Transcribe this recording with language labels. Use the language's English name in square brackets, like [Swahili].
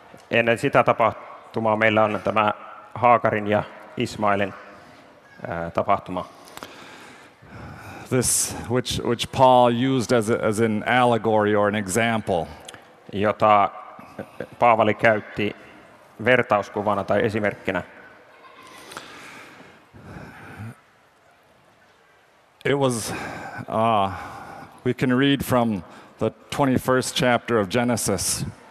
[Finnish] Ennen sitä tapahtumaa meillä on tämä Haakarin ja Ismailin tapahtuma. [English] This which Paul used as an allegory or an example. [Finnish] Jota Paavali käytti vertauskuvana tai esimerkkinä. [English] It was we can read from the 21st chapter of Genesis.